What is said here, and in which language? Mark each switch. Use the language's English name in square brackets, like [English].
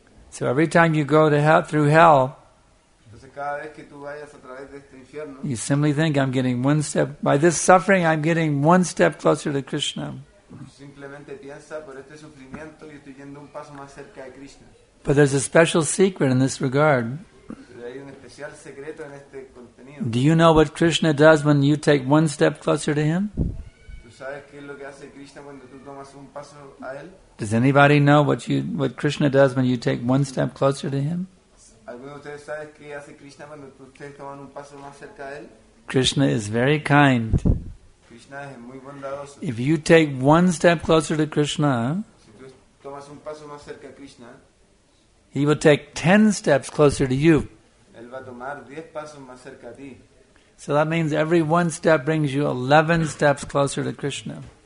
[English] So every time you go to hell, through hell, [Spanish] cada vez que tú vayas a través de este infierno, [English] you simply think I'm getting one step by this suffering I'm getting one step closer to Krishna. [Spanish] Simplemente piensa, por este sufrimiento yo estoy yendo un paso más cerca de Krishna. [English] But there's a special secret in this regard. [Spanish] Pero hay un especial secreto en este contenido. [English] Do you know what Krishna does when you take one step closer to him? [Spanish] ¿Tú sabes ¿Sabes qué es lo que hace Krishna cuando tú tomas un paso a él? [English] Does anybody know what Krishna does when you take one step closer to him? [Spanish] ¿Alguno de ustedes sabe qué hace Krishna cuando ustedes toman un paso más cerca de él? [English] Krishna is very kind. [Spanish] Krishna es muy bondadoso. [English] If you take one step closer to Krishna, [Spanish] si tú tomas un paso más cerca a Krishna, [English] he will take 10 steps closer to you. [Spanish] Él va a tomar 10 pasos más cerca a ti. [English] So that means every one step brings you 11 steps closer to Krishna.